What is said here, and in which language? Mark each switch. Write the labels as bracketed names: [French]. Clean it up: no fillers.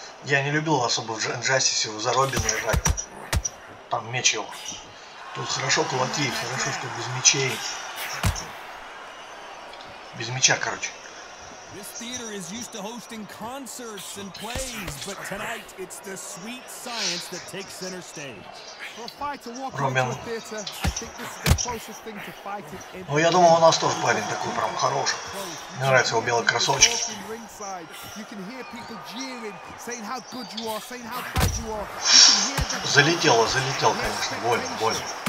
[Russian] Я не любил особо в Джастисе за Робина играть. Там меч его. Тут хорошо кулаки, хорошо, что без мечей. Без меча, короче. [English] This theater is used to hosting concerts and plays, but tonight it's the sweet science that takes center stage. For a fighter walking into a theater, I think this is the closest thing to fighting in. [Russian] Ну я думал, у нас тоже парень такой прям хороший. Мне нравятся его белые кроссовочки. [English] You can hear people jeering, saying how good you are, saying how bad you are. [Russian] Залетел, конечно, больно.